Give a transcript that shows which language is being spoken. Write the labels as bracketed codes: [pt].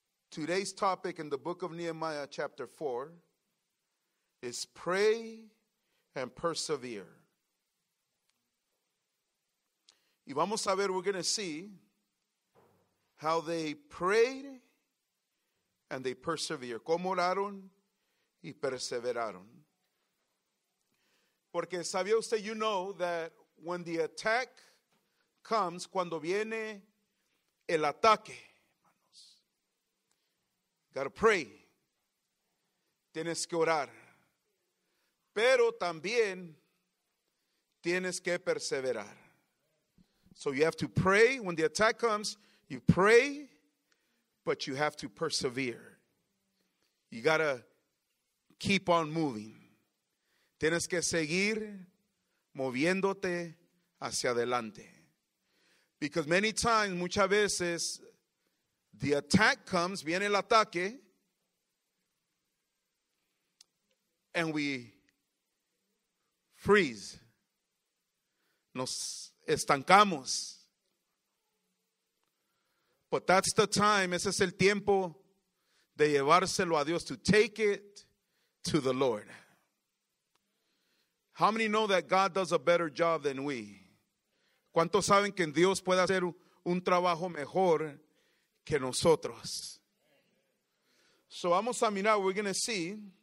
[en] Today's topic in the book of Nehemiah, chapter 4. Is pray and persevere. [es] Y vamos a ver, [en] we're going to see how they prayed and they persevered. [es] Cómo oraron y perseveraron. Porque sabía usted, [en] you know, that when the attack comes, [es] cuando viene el ataque, hermanos, [en] gotta pray. [es] Tienes que orar. Pero también tienes que perseverar. [en] So you have to pray when the attack comes. You pray, but you have to persevere. You gotta keep on moving. [es] Tienes que seguir moviéndote hacia adelante. [en] Because many times, [es] muchas veces, [en] the attack comes, [es] viene el ataque, [en] and we freeze. [es] Nos estancamos. [en] But that's the time. [es] Ese es el tiempo de llevárselo a Dios. [en] To take it to the Lord. How many know that God does a better job than we? [es] ¿Cuántos saben que Dios puede hacer un trabajo mejor que nosotros? So vamos a mirar. [en] We're going to see.